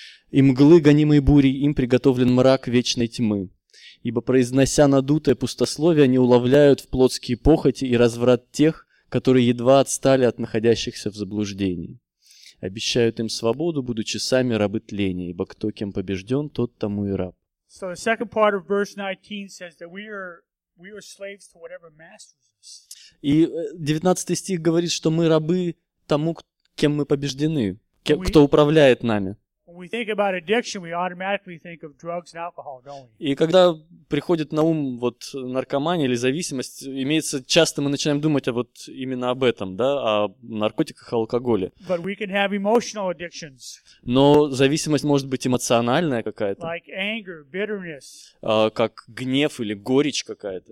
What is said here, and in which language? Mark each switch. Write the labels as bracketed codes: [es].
[ru] И мглы, гонимые бурей, им приготовлен мрак вечной тьмы. Ибо, произнося надутое пустословие, они уловляют в плотские похоти и разврат тех, которые едва отстали от находящихся в заблуждении. Обещают им свободу, будучи сами рабы тления, ибо кто кем побежден, тот тому и раб. [en] So the second part of verse 19 says that we are slaves to whatever masters us. [ru] И 19 стих говорит, что мы рабы тому, кем мы побеждены, кто управляет нами. [en] When we think about addiction, we automatically think of drugs and alcohol, don't we? [ru] И когда приходит на ум вот наркомания или зависимость, имеется часто мы начинаем думать вот именно об этом, да, о наркотиках, алкоголе. [en] But we can have emotional addictions. [ru] Но зависимость может быть эмоциональная какая-то. [en] Like anger, bitterness. [ru] Как гнев или горечь какая-то.